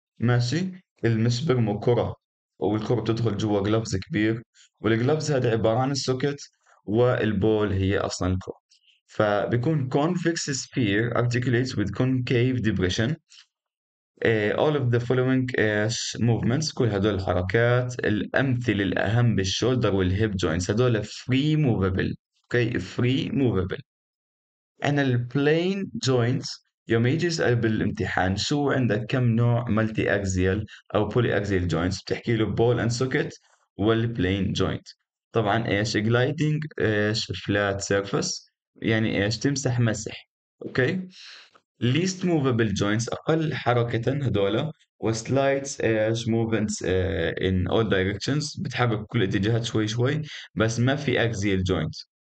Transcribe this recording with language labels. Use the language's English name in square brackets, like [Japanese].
[Arabic] ماشي، المش بيرمو كرة والكرة بتدخل جوا جلافز كبير، والجلافز هذا عبارة عن السوكيت والبول هي اصلا الكرة. [English] فبيكون convex sphere articulates with concave depression all of the following movements. [Arabic] كل هدول الحركات الأمثل الأهم بالشولدر والهيب جوينتس هدول free movable. [English] okay free movable. and the plain joints [Arabic] يوم يجي يسأل بالامتحان شو عندك كم نوع [English] multi axial أو poly axial joints [Arabic] بتحكي له [English] ball and socket والplain joint. [Arabic] طبعا ايش gliding ايش flat surface يعني ايش تمسح مسح. اوكي، [English] least movable joints [Arabic] اقل حركة هدول و slides ايش [English] movements in all directions [Arabic] بتحرك كل اتجاهات شوي شوي، بس ما في axial joint.